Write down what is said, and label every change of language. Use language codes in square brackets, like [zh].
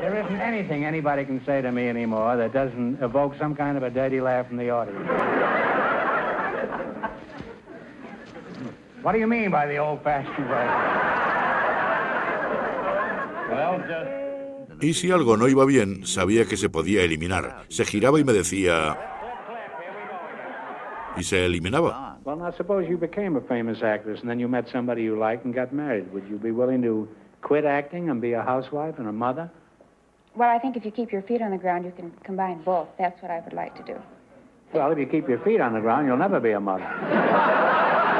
[en] There isn't anything anybody can say to me anymore that doesn't evoke some kind of a dirty laugh from the audience. What do you mean by the old-fashioned way? Well, just... [es] Y si algo no iba bien, sabía que se podía eliminar. Se giraba y me decía... Y se eliminaba. [en] Well, now suppose you became a famous actress and then you met somebody you liked and got married. Would you be willing to quit acting and be a housewife and a mother? Well, I think if you keep your feet on the ground, you can combine both. That's what I would like to do. Well, if you keep your feet on the ground, you'll never be a mother.